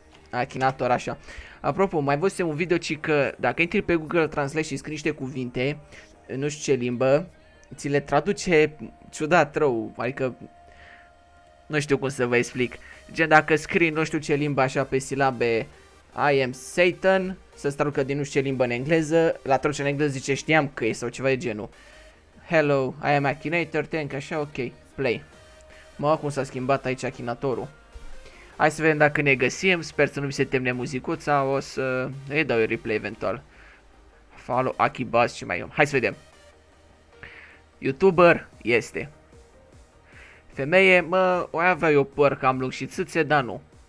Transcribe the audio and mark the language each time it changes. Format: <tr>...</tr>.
<ro>Akhinator, așa. Apropo, mai văzusem un video și că dacă intri pe Google Translate și scrii niște cuvinte, nu știu ce limbă, ți le traduce ciudat rău, adică nu știu cum să vă explic. Gen, dacă scrii nu știu ce limbă așa pe silabe,</ro> <en>I am Satan,</en> <ro>să-ți traducă din nu știu ce limbă în engleză, la traducere în engleză zice știam că e sau ceva de genul.</ro> <en>Hello, I am Akhinator, thank, așa, ok, play.</en> <ro>Mă, cum s-a schimbat aici Akhinatorul. Hai să vedem dacă ne găsim, sper să nu mi se temne muzicuța, o să îi dau un replay eventual. Follow Aki Buzz și mai eu. Hai să vedem. YouTuber este. Femeie, mă, o avea eu păr cam lung și țâțe, dar nu.</ro>